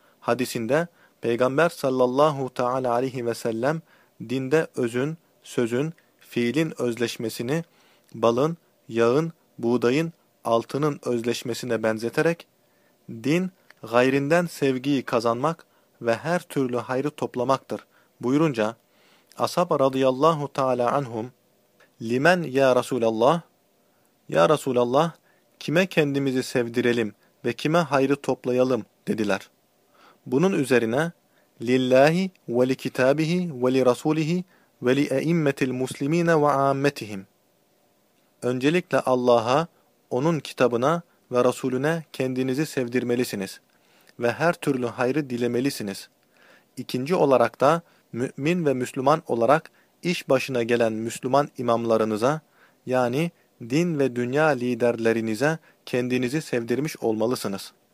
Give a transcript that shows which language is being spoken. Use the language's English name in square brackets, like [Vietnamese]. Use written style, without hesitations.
[Turkish] Hadisinde Peygamber sallallahu teala aleyhi ve sellem dinde özün, sözün, fiilin özleşmesini balın, yağın, buğdayın, altının özleşmesine benzeterek din gayrinden sevgiyi kazanmak ve her türlü hayrı toplamaktır buyurunca Ashab radıyallahu teala anhum, [Arabic] limen ya Resulallah? [Turkish] Ya Resulallah, kime kendimizi sevdirelim ve kime hayrı toplayalım dediler. Bunun üzerine, [Arabic] لله ولكتابه ولرسوله ولأئمة المسلمين وعامتهم. [Turkish] Öncelikle Allah'a, onun kitabına ve Resulüne kendinizi sevdirmelisiniz ve her türlü hayrı dilemelisiniz. İkinci olarak da mümin ve Müslüman olarak iş başına gelen Müslüman imamlarınıza, yani din ve dünya liderlerinize kendinizi sevdirmiş olmalısınız.